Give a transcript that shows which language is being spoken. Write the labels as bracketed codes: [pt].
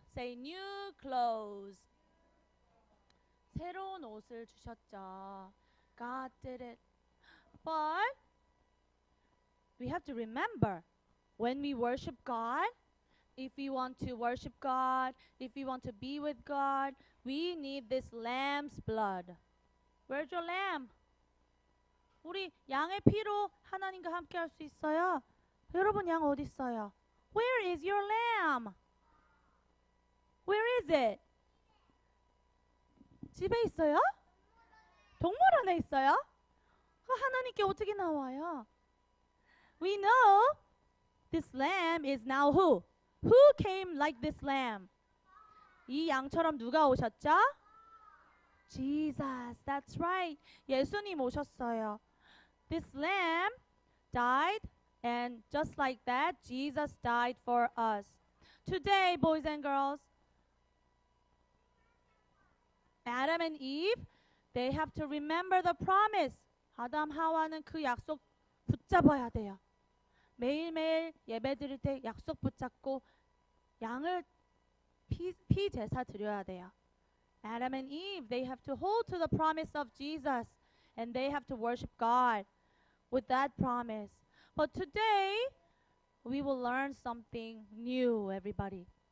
[en] Say new clothes. [ko] 새로운 옷을 주셨죠. [en] God did it. But we have to remember when we worship God, if we want to worship God, if we want to be with God, we need this lamb's blood. Where's your lamb? [ko] 우리 양의 피로 하나님과 함께 할 수 있어요? 여러분 양 어디 있어요? [en] Where is your lamb? Where is it? [ko] 집에 있어요? 동물원에 있어요? 하나님께 어떻게 나와요? [en] We know this lamb is now who? Who came like this lamb? [ko] 이 양처럼 누가 오셨죠? [en] Jesus, that's right. [ko] 예수님 오셨어요. [en] This lamb died, and just like that, Jesus died for us. Today, boys and girls, Adam and Eve, they have to remember the promise. [ko] 아담, 하와는 그 약속 붙잡아야 돼요. 매일매일 예배 드릴 때 약속 붙잡고 양을 피 제사 드려야 돼요. [en] Adam and Eve, they have to hold to the promise of Jesus, and they have to worship God with that promise. But today, we will learn something new, everybody.